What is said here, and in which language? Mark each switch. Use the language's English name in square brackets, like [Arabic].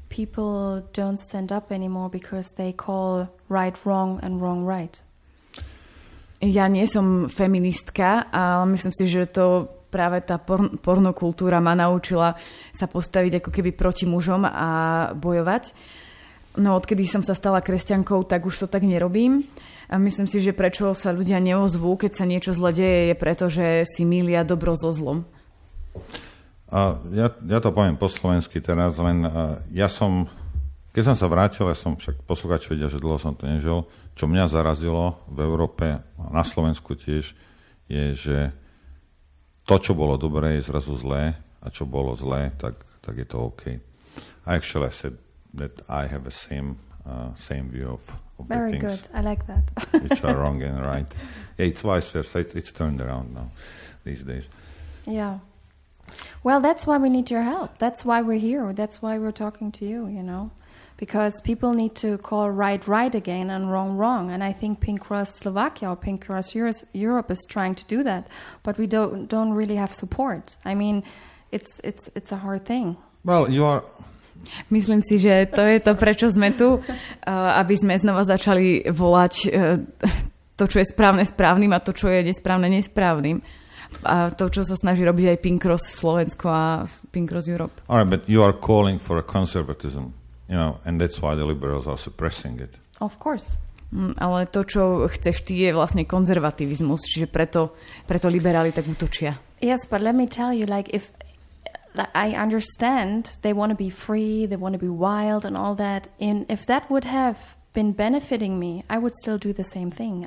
[English] people don't stand up anymore because they call right wrong and wrong right. [Slovak] Ja nie som feministka, ale myslím si, že to práve tá pornokultúra ma naučila sa postaviť ako keby proti mužom a bojovať. No odkedy som sa stala kresťankou, tak už to tak nerobím. A myslím si, že prečo sa ľudia neozvú, keď sa niečo zle deje, je preto, že si mýlia dobro so zlom. A ja to poviem po slovensky teraz, len ja som, keď som sa vrátil, ja som však poslucháč vedia, že dlho som to nežil, čo mňa zarazilo v Európe a na Slovensku tiež, je, že to, čo bolo dobré, je zrazu zlé a čo bolo zlé, tak je to OK. [English] Actually, I said that I have the same view of the things. Very good, I like that. which are wrong and right. Yeah, it's vice versa, it's turned around now, these days. Yeah. Well, that's why we need your help. That's why we're here. That's why we're talking to you, you know. Because people need to call right right again and wrong wrong. And I think Pink Cross Slovakia or Pink Cross Europe is trying to do that. But we don't really have support. I mean, it's a hard thing. Well, you are... [Slovak] Myslím si, že to je to, prečo sme tu. Aby sme znova začali volať to, čo je správne správnym a to, čo je nesprávne nesprávnym. A to, čo sa snaží robiť aj Pink Cross Slovensko a Pink Cross Europe. [English] All right, but you are calling for a conservatism, you know, and that's why the liberals are suppressing it. Of course. [Slovak] Ale to, čo chceš ty, je vlastne konzervativizmus, čiže preto liberáli tak útočia. [English] Yes, but let me tell you, like, if I understand they want to be free, they want to be wild and all that, and if that would have been benefiting me, I would still do the same thing.